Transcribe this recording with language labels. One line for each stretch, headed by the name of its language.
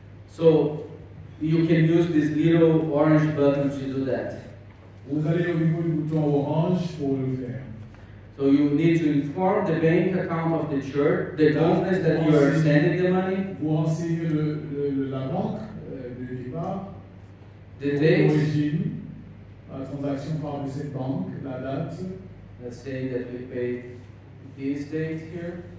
English: So you can use this little orange button to do that.
French: Vous allez au niveau du bouton orange pour le faire.
English: So you need to inform the bank account of the church, the business that you are sending the money.
French: Vous renseignez la banque de départ,
English: the date,
French: l'origine, la transaction par cette banque, la date.
English: Let's say that we paid this date here.